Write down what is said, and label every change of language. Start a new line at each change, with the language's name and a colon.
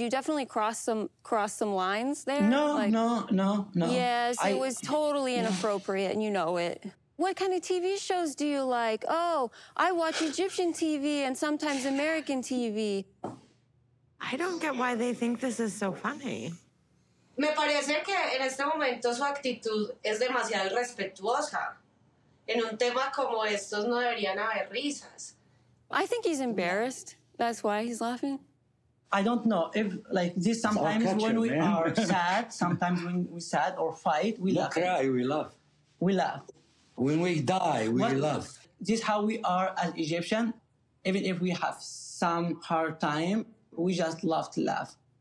English: You definitely crossed some lines there. No, like, no. Yes, it was totally inappropriate, and you know it. What kind of TV shows do you like? Oh, I watch Egyptian TV and sometimes American TV. I don't get why they think this is so funny.
Spanish: Me parece que en este momento su actitud es demasiado irrespetuosa. En un tema como estos no deberían haber risas.
English: I think he's embarrassed. That's why he's laughing. I don't know. If like this sometimes when we are sad, sometimes when we sad or fight, we laugh. We cry, we laugh. We laugh. When we die, we laugh. This is how we are as Egyptian. Even if we have some hard time, we just love to laugh.